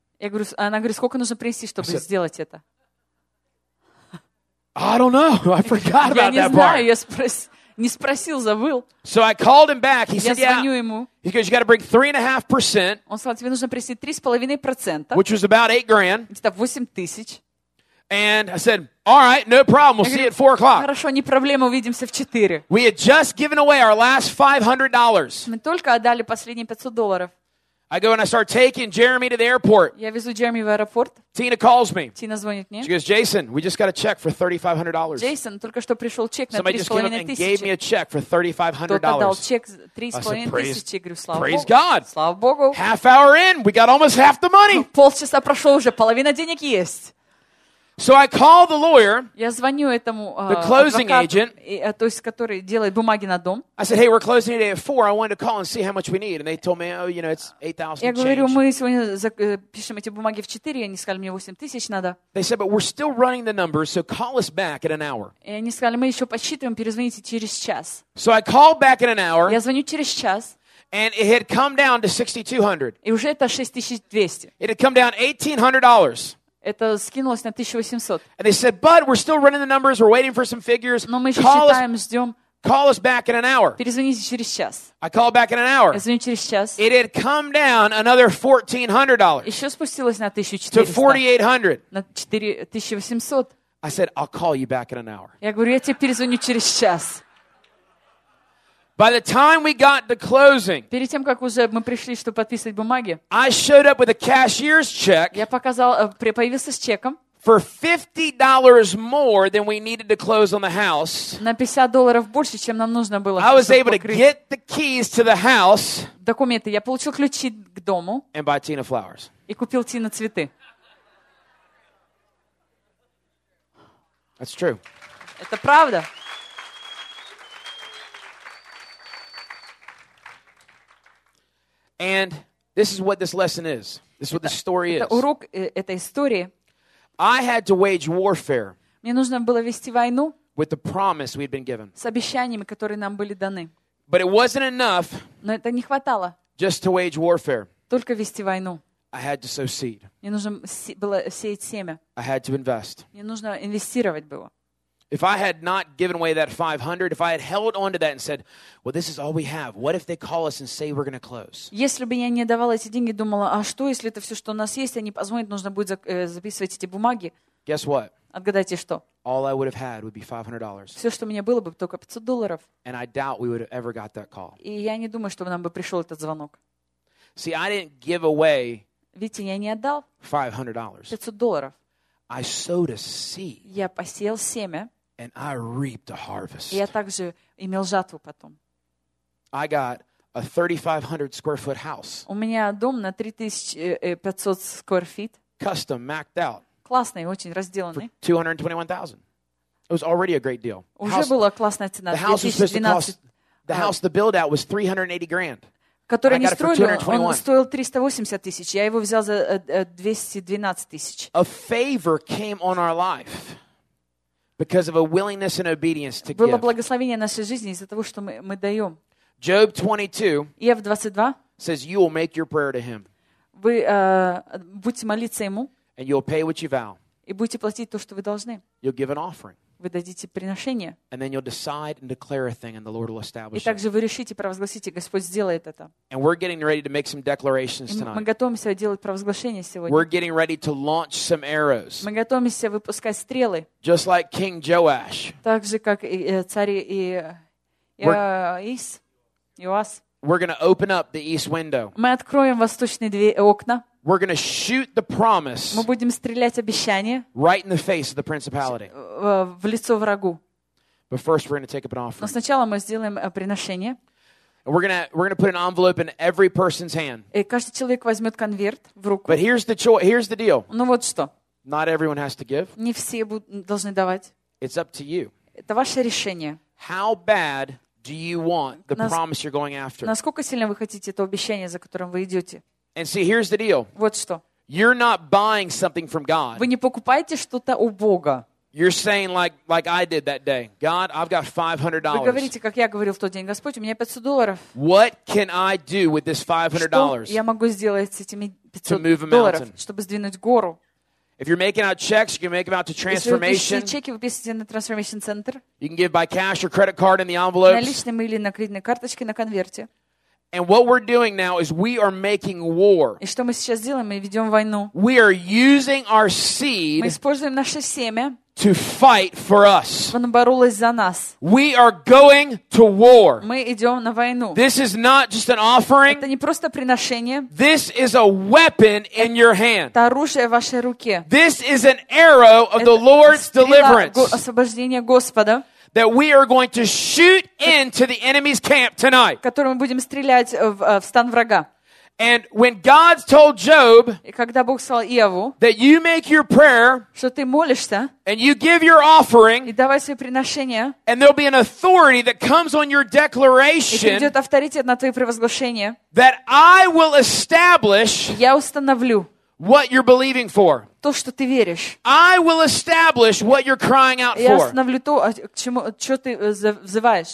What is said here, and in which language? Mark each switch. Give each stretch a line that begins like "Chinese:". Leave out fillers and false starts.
Russian: Я говорю, она говорит, сколько нужно принести, чтобы
English: said,
Russian: сделать это?
English: I don't know. I forgot about that
Russian: знаю,
English: part.
Russian: Я не знаю, я спросил. Не спросил, забыл.
English: So I called him back. He said, "Yeah."
Russian: Ему.
English: He goes, "You got to bring 3.5%."
Russian: Он сказал, тебе нужно принести 3.5%.
English: Which was about $8,000.
Russian: Это 8,000.
English: And I said, "All right, no problem. We'll see you at 4:00."
Russian: Хорошо, не проблема, увидимся в 4.
English: We had just given away our last $500.
Russian: Мы только отдали последние $500.
English: I go and I start taking Jeremy to the airport.
Russian: Я везу Джереми в аэропорт.
English: Tina calls me.
Russian: Тина звонит мне.
English: She goes, "Jason, we just got a check for $3,500."
Russian: Джейсон, только что пришел чек на $3,500.
English: Somebody just came up and gave me a check for $3,500.
Russian: Кто-то дал чек $3,500. Говорю, слава Богу.
English: Praise God.
Russian: Слава Богу.
English: Half hour in, we got almost half the money.
Russian: Полчаса прошло уже, половина денег есть.
English: So I call the lawyer.
Russian: Я звоню этому
English: the closing
Russian: адвокату,
English: agent,
Russian: то есть который делает бумаги на дом.
English: I said, "Hey, we're closing today at 4. I wanted to call and see how much we need." And they told me, "Oh, you know, it's 8,000."
Russian: Я говорю, мы сегодня пишем эти бумаги в 4, они сказали, мне 8,000 надо.
English: They said, "But we're still running the numbers, so call us back in an hour."
Russian: И они сказали, мы еще подсчитываем, перезвоните через час.
English: So I called back in an hour.
Russian: Я звоню через час.
English: And it had come down to 6,200.
Russian: И уже это 6,200.
English: It had come down $1,800.
Russian: Это скинулось на 1800.
English: And they said, "But we're still running the numbers. We're waiting for some figures.
Russian: Но мы еще
English: call
Russian: считаем,
English: us,
Russian: ждем.
English: Call us back in an hour."
Russian: Перезвоните через час.
English: I called back in an hour.
Russian: Я звоню через час.
English: It had come down another $1,400.
Russian: Еще спустилось на 1400.
English: To 4,800.
Russian: На 4,800.
English: I said, "I'll call you back in an hour."
Russian: Я говорю, я тебе перезвоню через час.
English: By the time we got to closing,
Russian: перед тем как уже мы пришли, чтобы подписывать бумаги,
English: I showed up with a cashier's check.
Russian: Я показал, появился с чеком.
English: For $50 more than we needed to close on the house.
Russian: На $50 больше, чем нам нужно было.
English: I was able to get the keys to the house.
Russian: Документы. Я получил ключи к дому.
English: And buy Tina flowers.
Russian: И купил Тине цветы.
English: That's true.
Russian: Это правда.
English: And this is what this lesson is. This is what the story is.
Russian: Это урок этой истории.
English: I had to wage warfare.
Russian: Мне нужно было вести войну.
English: With the promise we had been given.
Russian: С обещаниями, которые нам были даны.
English: But it wasn't enough.
Russian: Но это не хватало.
English: Just to wage warfare.
Russian: Только вести войну.
English: I had to sow seed.
Russian: Мне нужно было сеять семя.
English: I had to invest.
Russian: Мне нужно инвестировать было.
English: If I had not given away that 500, if I had held on to that and said, "Well, this is all we have. What if they call us and say we're going to close?"
Russian: Если бы я не давала эти деньги, думала, а что, если это все, что у нас есть, они позвонят, нужно будет записывать эти бумаги.
English: Guess what?
Russian: Отгадайте, что?
English: All I would have had would be $500.
Russian: Все, что у меня было бы, только $500.
English: And I doubt we would have ever got that call.
Russian: И я не думаю, чтобы нам бы пришел этот звонок.
English: See, I didn't give away
Russian: Видите, я не отдал
English: $500. I sowed a seed.
Russian: Я посеял семя.
English: And I reaped a harvest.
Russian: Я также имел жатву потом.
English: I got a 3,500 square foot house.
Russian: У меня дом на 3,500
English: square feet. Custom, macked out.
Russian: Классный, очень разделанный.
English: For $221,000. It was already a great deal.
Russian: Уже
English: house,
Russian: была классная цена.
English: The house was supposed to cost. The house, the build out was $380,000.
Russian: Который не строили, он стоил 380 тысяч. Я его взял за 212 тысяч.
English: A favor came on our life because of a willingness and obedience to give.
Russian: Было благословение нашей жизни из-за того, что мы даем.
English: Job 22.
Russian: Иов 22.
English: Says you will make your prayer to him.
Russian: Вы будете молиться ему.
English: And you'll pay what you vow.
Russian: И будете платить то, что вы должны.
English: You'll give an offering.
Russian: Вы дадите приношение.
English: And then you'll decide and declare a thing, and the Lord will establish it.
Russian: И также вы решите, провозгласите, Господь сделает это.
English: And we're getting ready to make some declarations tonight.
Russian: Мы готовимся делать провозглашение сегодня.
English: We're getting ready to launch some arrows.
Russian: Мы готовимся выпускать стрелы.
English: Just like King Joash.
Russian: Так же, как и царь Иоас.
English: We're going to open up the east window.
Russian: Мы откроем восточные две окна.
English: We're going to shoot the promise.
Russian: Мы будем стрелять обещание.
English: Right in the face of the principality.
Russian: В лицо врагу.
English: But first we're going to take up an offering.
Russian: Но сначала мы сделаем приношение.
English: We're going to put an envelope in every person's hand.
Russian: И каждый человек возьмет конверт в руку.
English: But here's the deal.
Russian: Ну вот что.
English: Not everyone has to give.
Russian: Не все должны давать.
English: It's up to you.
Russian: Это ваше решение.
English: How bad do you want the promise you're going after?
Russian: Насколько сильно вы хотите то обещание, за которым вы идете?
English: And see, here's the deal.
Russian: Вот что.
English: You're not buying something from God.
Russian: Вы не покупаете что-то у Бога.
English: You're saying like I did that day. God, I've got $500.
Russian: Вы говорите, как я говорил в тот день, Господь, у меня $500.
English: What can I do with this $500?
Russian: Что я могу сделать с этими $500, чтобы сдвинуть гору?
English: If you're making out checks, you can make them out to Transformation.
Russian: Если вы пишете чеки, вы пишете на Transformation Center.
English: You can give by cash or credit card in the envelopes.
Russian: Наличными или на кредитной карточке на конверте.
English: And what we're doing now is we are making war.
Russian: И что мы сейчас делаем? Мы ведем войну.
English: We are using our seed.
Russian: Мы используем наше семя.
English: To fight for us.
Russian: Она боролась за нас.
English: We are going to war.
Russian: Мы идем на войну.
English: This is not just an offering.
Russian: Это не просто приношение.
English: This is a weapon in your hand.
Russian: Это оружие в вашей руке.
English: This is an arrow of the Lord's deliverance.
Russian: Это стрела освобождения Господа.
English: That we are going to shoot into the enemy's camp tonight.
Russian: Которым мы будем стрелять в стан врага.
English: And when God told Job,
Russian: и когда Бог сказал Иову,
English: that you make your prayer,
Russian: что ты молишься,
English: and you give your offering,
Russian: и давай свои приношения,
English: and there'll be an authority that comes on your declaration,
Russian: и придет авторитет на твои провозглашения,
English: that I will establish,
Russian: я установлю.
English: What you're believing for.
Russian: То, что ты веришь.
English: I will establish what you're crying out for.
Russian: Я установлю то, к чему, что ты взываешь.